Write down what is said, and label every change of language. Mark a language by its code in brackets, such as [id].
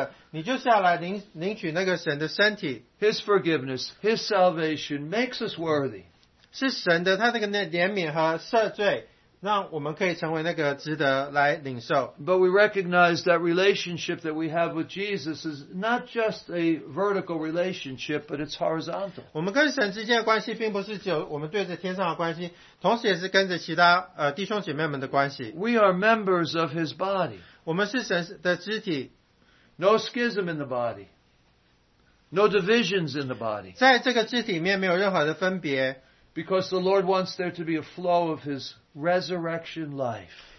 [zh] 你如何就是能够成为那个配得的？你就是要来领取那个神的身体。 [en] His forgiveness, His salvation makes us worthy. [zh] 是神的，他那个怜悯和赦罪，让我们可以成为那个值得来领受。 [en] But we recognize that relationship that we have with Jesus is not just a vertical relationship, but it's horizontal. [zh] 我们跟神之间的关系，并不是只有我们对着天上的关系，同时也是跟着其他弟兄姐妹们的关系。 [en] We are members of His body. [zh] 我们是神的肢体。 [en] No schism in the body. No divisions in the body. [zh] 在这个肢体里面没有任何的分别。 [en] Because the Lord wants there to be a flow of His resurrection life.